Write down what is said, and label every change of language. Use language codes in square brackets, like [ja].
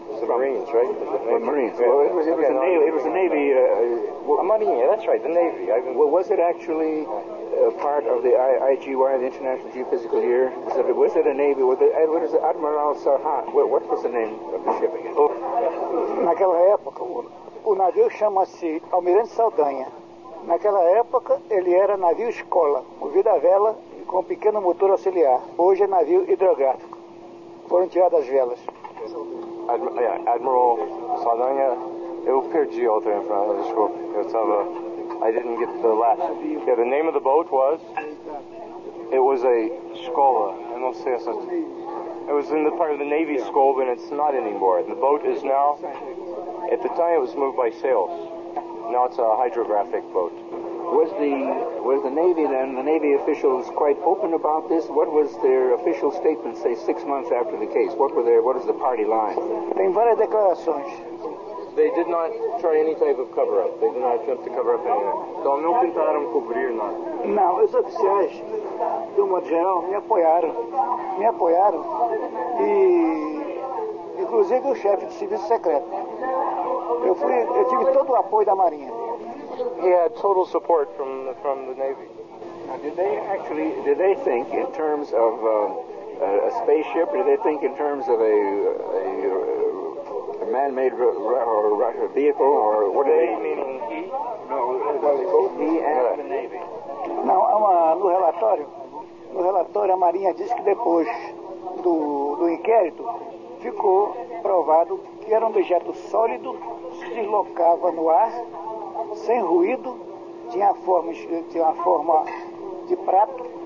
[en] Marines, right? The Marines. Well, it was a Navy. Marine, that's right, the Navy. Was it actually part of the IGY, the International Geophysical Year? Was it a Navy? What is it? Admiral Sarhat. What was the name of the ship again? [pt] Naquela época, o navio chama-se Almirante Saldanha. Naquela época, ele era navio escola, movido a vela e com um pequeno motor auxiliar. Hoje é navio hidrográfico. foram tiradas as velas. Admiral Saldanha, eu perdi outra informação, desculpe. Eu estava... [en] I didn't get the last... Yeah, the name of the boat was... It was a Skola. [pt] Eu não sei se... [en] It was in the part of the Navy Skola, and it's not anymore. The boat is now... At the time, it was moved by sails. Now it's a hydrographic boat. Was the Navy then, the Navy officials quite open about this? What was their official statement, say, 6 months after the case? What is the party line? [pt] Tem várias declarações. [en] They did not try any type of cover-up. They did not attempt to cover up anything. [pt] Então não tentaram cobrir nada. Não, os oficiais, do modo geral, me apoiaram. E, inclusive, o chefe de serviço secreto. Eu tive todo o apoio da Marinha. [en] He had total support from the Navy. Now, did they think in terms of a spaceship, or did they think in terms of a man-made or vehicle, or what? They meaning he? No, both he and the Navy. [pt] Não, no relatório a Marinha disse que depois do inquérito ficou provado que era um objeto sólido, se deslocava no ar sem ruído, tinha a forma de prato.